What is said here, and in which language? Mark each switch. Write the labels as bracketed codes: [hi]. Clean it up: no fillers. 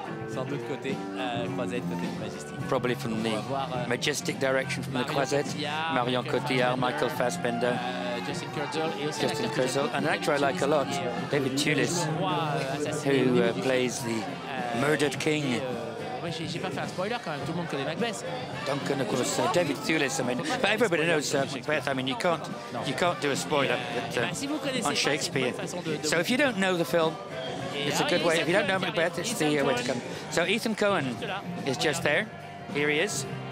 [fr] Sans doute côté croisette, côté majestique. [en] Probably from the majestic direction from the croisette. Marion Cotillard, Michael Fassbender. Justin Kurzel, an actor I like a lot, David Tulis, who plays the murdered king. [fr] J'ai pas fait un spoiler quand même, tout le monde connaît Macbeth. [en] Duncan, of course, David Tulis, I mean, but everybody knows Macbeth, I mean, you can't do a spoiler on Shakespeare. So if you don't know the film, it's a good way. If you don't know Macbeth, it's the way to come. So Ethan Cohen is just there. Here he is,